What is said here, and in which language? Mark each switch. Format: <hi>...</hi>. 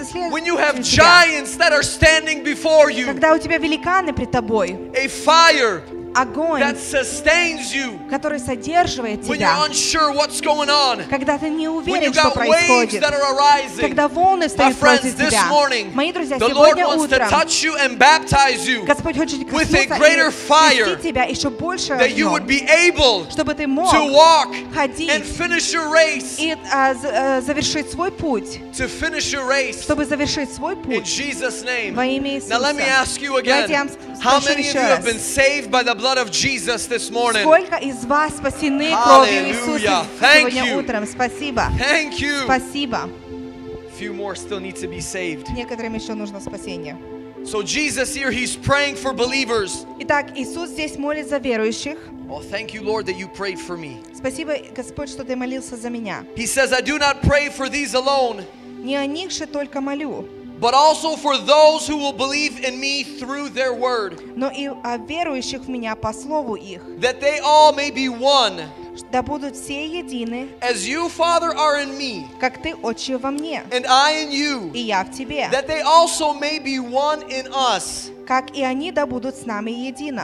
<en>when you have giants that are standing before you,</en> <ru>когда у тебя великаны пред тобой,</ru> <en>a fire,</en> <ru>огонь,</ru> <en>that sustains you,</en> <ru>который содерживает тебя,</ru> <en>when you're unsure what's going on,</en> <ru>когда ты не уверен,</ru> <en>when you got waves that are arising,</en> <ru>когда волны встают против тебя,</ru> <en>my friends, this morning,</en> <ru>мои друзья,</ru> <en>the Lord wants to touch you and baptize you,</en> <ru>Господь хочет коснуться</ru> <en>with a greater fire,</en> <ru>тебя еще больше огнем,</ru> <en>that you would be able,</en> <ru>чтобы ты мог,</ru> <en>to walk,</en> <ru>ходить,</ru> <en>and finish your race,</en> <ru>и завершить свой путь,</ru> <en>to finish your race,</en> <ru>чтобы завершить свой путь,</ru> <en>in Jesus' name,</en> <ru>во имя Иисуса.</ru> <en>Now let me ask you again, how many of you have been saved by the blood of Jesus this morning.</en> <ru>Сколько из вас спасены кровью Иисуса сегодня утром? Спасибо.</ru> <en>Thank you.</en> <ru>Спасибо.</ru> <en>Few more still need to be saved.</en> <ru>Некоторым ещё нужно спасение.</ru> <en>So Jesus here, he's praying for believers.</en> <ru>Итак, Иисус здесь молится за верующих.</ru> <en>Oh, thank you, Lord, that you prayed for me.</en> <ru>Спасибо, Господь, что ты молился за меня.</ru> <en>He says, I do not pray for these alone.</en> <ru>Не о них же только молю.</ru> <en>But also for those who will believe in me through their word.</en> <ru>Но и о верующих в меня по слову их.</ru> <en>That they all may be one.</en> <ru>Да будут все едины.</ru> <en>As you, Father, are in me.</en> <ru>Как ты, Отче, во мне.</ru> <en>And I in you.</en> <ru>И я в тебе.</ru> <en>That they also may be one in us.</en> <ru>Как и они да будут с нами едины.</ru>